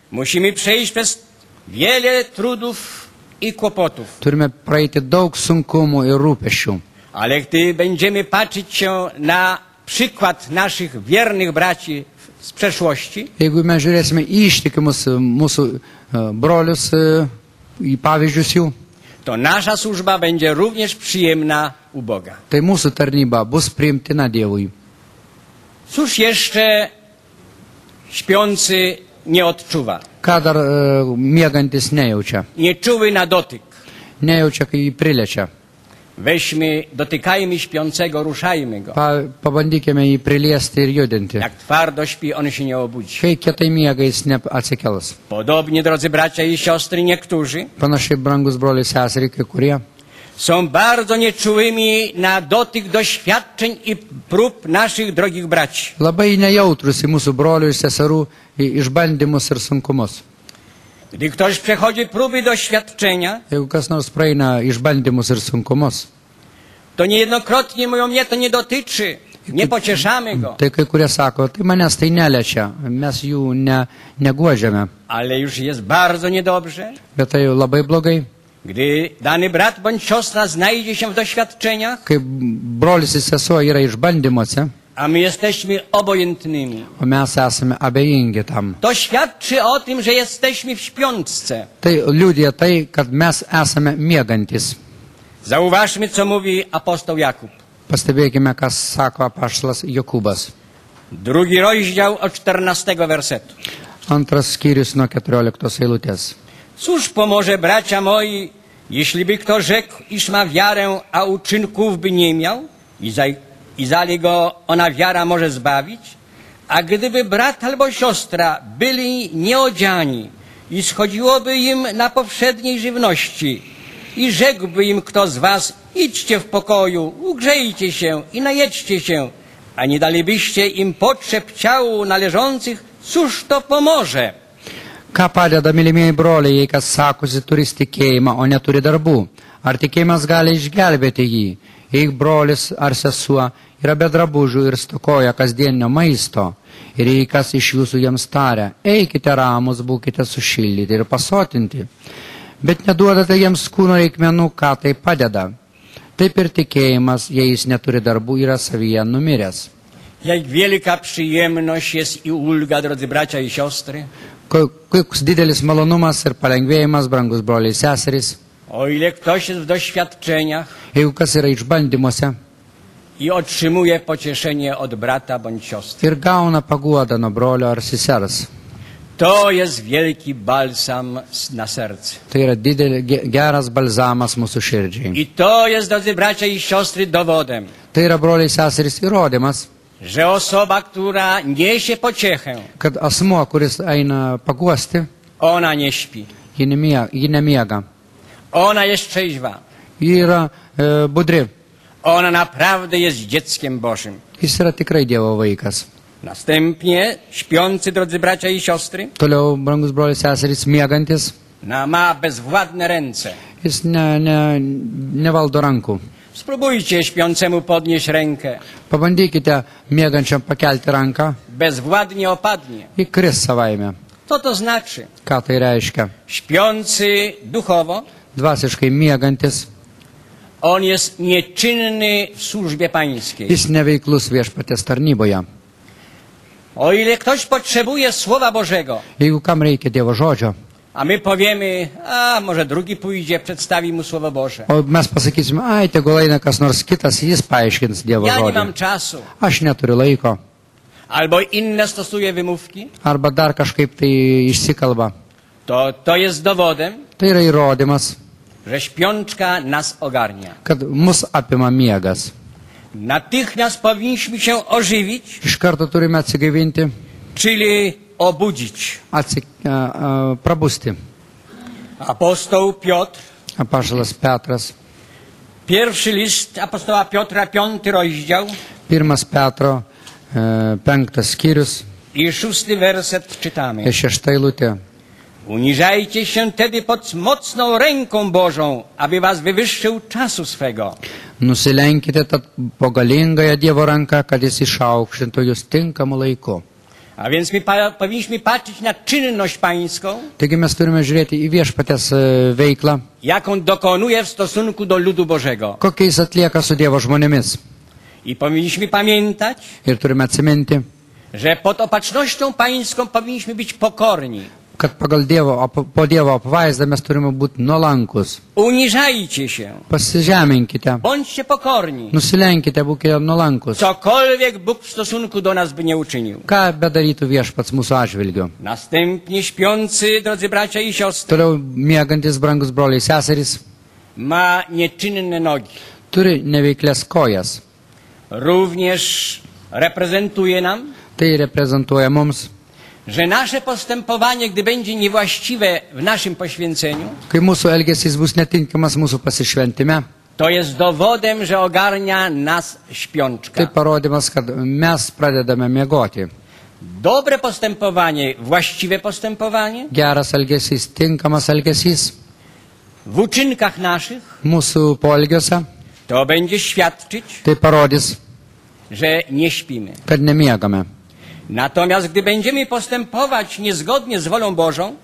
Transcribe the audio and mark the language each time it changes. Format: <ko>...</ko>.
<pl>Musimy przejść przez wiele trudów i kłopotów.</pl> <lt>Turime praeiti daug sunkumų ir rūpesčių.</lt> <pl>Ale gdy będziemy patrzeć się na przykład naszych wiernych braci z przeszłości,</pl> <lt>jeigu mes žiūrėsime ištikimus mūsų brolius i pavyzdžius jų,</lt> <pl>to nasza służba będzie również przyjemna u Boga.</pl> <lt>Tai mūsų tarnyba bus priimtina Dievui.</lt> <pl>Cóż jeszcze śpiący nie odczuwa?</pl> <lt>Ką dar miegantis nejaučia?</lt> <pl>Nie czuwy na dotyk.</pl> <lt>Nejaučia, kai priliečia.</lt> <pl>Weźmy, dotykajmy śpiącego, ruszajmy go.</pl> <lt>Pabandykime jį priliesti ir judinti.</lt> <pl>Jak twardo śpi, on się nie obudzi.</pl> <lt>Kai kietai miega, jis neatsikels.</lt> <pl>Podobnie, drodzy bracia i siostry, niektórzy.</pl> <lt>Panašiai, brangus broliai, seserys, kai kurie.</lt> <pl>Są bardzo nieczułymi na dotyk doświadczeń i prób naszych drogich braci.</pl> <lt>Labai nejautrus į mūsų brolių ir seserų išbandymus ir sunkumus.</lt> <pl>Gdy ktoś przechodzi próby doświadczenia,</pl> <lt>jeigu kas nors praeina išbandymus ir sunkumus,</lt> <pl>to niejednokrotnie mówią, mnie to nie dotyczy, nie pocieszamy go.</pl> <lt>Tai kai kurie sako, tai manęs tai neliečia, mes jų neguodžiame.</lt> <pl>Ale już jest bardzo niedobrze.</pl> <lt>Bet tai labai blogai.</lt> <pl>Gdy dany brat bądź siostra znajdzie się w doświadczeniach,</pl> <lt>kai brolis i sesuo yra išbandymuose,</lt> <pl>a my jesteśmy obojętnymi,</pl> <lt>o mes esame abejingi tam,</lt> <pl>to świadczy o tym, że jesteśmy w śpiączce.</pl> <lt>Tai liudija tai, kad mes esame miegantis.</lt> <pl>Zauważmy, co mówi apostoł Jakub.</pl> <lt>Pastebėkime, ką sako apaštalas Jokūbas.</lt> <pl>Drugi rozdział od 14 wersetu.</pl> <lt>Antras skyrius nuo 14 eilutės.</lt> <pl>Cóż pomoże, bracia moi, jeśli by kto rzekł, iż ma wiarę, a uczynków by nie miał, i zali go ona wiara może zbawić? A gdyby brat albo siostra byli nieodziani i schodziłoby im na powszedniej żywności, i rzekłby im kto z was, idźcie w pokoju, ugrzejcie się i najedźcie się, a nie dalibyście im potrzeb ciału należących, cóż to pomoże?</pl> <lt>Ką padeda, mylimieji broliai, jei kas sakosi, turi tikėjimą, o neturi darbų? Ar tikėjimas gali išgelbėti jį? Jei brolis ar sesuo yra be drabužių ir stokoja kasdienio maisto, ir jei kas iš jūsų jiems taria, eikite ramus, būkite sušildyti ir pasotinti. Bet neduodate jiems kūno reikmenų, ką tai padeda. Taip ir tikėjimas, jei jis neturi darbų, yra savyje numiręs.</lt> <pl>Jei vėlika priėmnoš jis į ulgą, drodzi bračia į siostrį,</pl> <lt>koks didelis malonumas ir palengvėjimas, brangus broliai ir seserys.</lt> <pl>O ile ktoś jest w doświadczeniach,</pl> <lt>jeigu kas yra išbandymuose,</lt> <pl>i otrzymuje pocieszenie od brata bądź siostry,</pl> <lt>ir gauna paguodą nuo brolio ar sesers,</lt> <pl>to jest wielki balsam na serce.</pl> <lt>Tai yra didelis, geras balzamas mūsų širdžiai.</lt> <pl>I to jest, drodzy bracia i siostry, dowodem.</pl> <lt>Tai yra broliai ir seserys įrodymas,</lt> <pl>że osoba, która niesie pociechę,</pl> <lt>kad asmuo, kuris eina paguosti,</lt> <pl>ona nie śpi.</pl> <lt>Ji nemiega.</lt> <pl>Ona jest trzeźwa.</pl> <lt>Yra budry.</lt> <pl>Ona naprawdę jest dzieckiem Bożym.</pl> <lt>Jis yra tikrai Dievo vaikas.</lt> <pl>Następnie śpiący, drodzy bracia i siostry,</pl> <lt>toliau, brangus broliai, seserys, miegantis,</lt> <pl>na ma bezwładne ręce.</pl> <lt>Jis nevaldo ranku.</lt> <pl>Spróbujcie śpiącemu podnieść rękę.</pl> <lt>Pabandykite miegančiam pakelti ranką.</lt> <pl>Bezwładnie opadnie.</pl> <lt>I krys savaime.</lt> <pl>Co to znaczy?</pl> <lt>Ką tai reiškia?</lt> <pl>Śpiący duchowo,</pl> <lt>dvasiškai miegantis,</lt> <pl>on jest nieczynny w służbie pańskiej.</pl> <lt>Jis neveiklus viešpaties tarnyboje.</lt> <pl>O ile ktoś potrzebuje Słowa Bożego,</pl> <lt>jeigu kam reikia Dievo žodžio,</lt> <pl>a my powiemy, a może drugi pójdzie, przedstawi mu Słowo Boże.</pl> <lt>O mes pasakysime, ai, tegul eina kas nors kitas, jis paaiškins Dievo žodį.</lt> <pl>Ja nie mam czasu.</pl> <lt>Aš neturiu laiko.</lt> <pl>Albo inne stosuje wymówki.</pl> <lt>Arba dar kažkaip tai išsikalba.</lt> <pl>To jest dowodem.</pl> <lt>Tai yra įrodymas.</lt> <pl>Że śpiączka nas ogarnia.</pl> <lt>Kad mus apima miegas.</lt> <pl>Natychmiast powinniśmy się ożywić.</pl> <lt>Iš karto turime atsigaivinti.</lt> <pl>Czyli obudzić.</pl> <lt>Prabusti.</lt> <pl>Apostoł Piotr.</pl> <lt>Apaštalas Petras.</lt> <pl>Pierwszy list apostoła Piotra, piąty rozdział.</pl> <lt>Pirmas Petro, penktas skyrius.</lt> <pl>I szósty werset czytamy.</pl> <lt>I šešta eilutė.</lt> <pl>Uniżajcie się tedy pod mocną ręką Bożą, aby was wywyższył czasu swego.</pl> <lt>Nusilenkite tad po galingąją Dievo ranką, kad jis išaukštintų jus tinkamu laiku.</lt> <pl>A więc my powinniśmy patrzeć na czynność pańską.</pl> <lt>Taigi mes turime žiūrėti į viešpaties veiklą.</lt> <pl>Jak on dokonuje w stosunku do ludu Bożego.</pl> <lt>Kokie jis atlieka su Dievo žmonėmis.</lt> <pl>I powinniśmy pamiętać.</pl> <lt>Ir turime atsiminti.</lt> <pl>Że pod opatrznością pańską powinniśmy być pokorni.</pl> <lt>Kad pagal Dievo, po Dievo apvaizdą mes turime būti nuolankus.</lt> <pl>Unižajcie się.</pl> <lt>Pasižeminkite.</lt> <pl>Bądźcie pokorni.</pl> <lt>Nusilenkite, būkite nuolankus.</lt> <pl>Cokolwiek Bóg w stosunku do nas by nie uczynił.</pl> <lt>Ką bedarytų viešpats mūsų atžvilgiu.</lt> <pl>Następnie śpiący, drodzy bracia i siostry.</pl> <lt>Toliau miegantis brangus broliai seserys.</lt> <pl>Ma nieczynne nogi.</pl> <lt>Turi neveiklias kojas.</lt> <pl>Również reprezentuje nam.</pl> <lt>Tai reprezentuje mums.</lt> <pl>Że nasze postępowanie, gdy będzie niewłaściwe w naszym poświęceniu,</pl> <lt>kai mūsų elgesys bus netinkamas mūsų pasišventime,</lt> <pl>to jest dowodem, że ogarnia nas śpiączka.</pl> <lt>Tai parodymas, kad mes pradedame miegoti.</lt> <pl>Dobre postępowanie, właściwe postępowanie,</pl> <lt>geras elgesys, tinkamas elgesys,</lt> <pl>w uczynkach naszych,</pl> <lt>mūsų poelgiuose,</lt> <pl>to będzie świadczyć,</pl> <lt>tai parodys,</lt> <pl>że nie śpimy,</pl> <lt>kad nemiegame.</lt> <pl>Natomiast gdy będziemy postępować niezgodnie z wolą Bożą,</pl>